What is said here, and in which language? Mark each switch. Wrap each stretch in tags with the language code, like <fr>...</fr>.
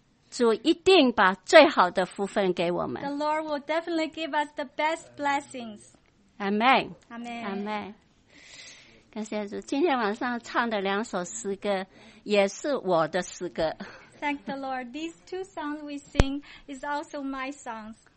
<zh>主一定把最好的福分给我们。</zh> <en>The Lord will definitely give us the best blessings. Amen. Amen. Amen.</en> <zh>感谢主，今天晚上唱的两首诗歌也是我的诗歌。</zh> <en>Thank the Lord. These two songs we sing is also my songs.</en>